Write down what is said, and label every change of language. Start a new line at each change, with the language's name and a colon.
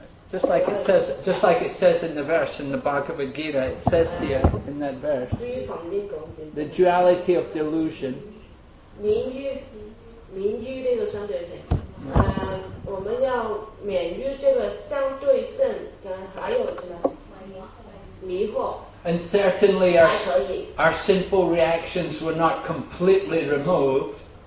English: just like it says in the verse in the Bhagavad Gita, it says here in that verse, the duality of delusion.
Chinese: 名誉这个相对性，我们要免于这个相对性，还有什么迷惑。
English: And certainly our sinful reactions were not completely removed.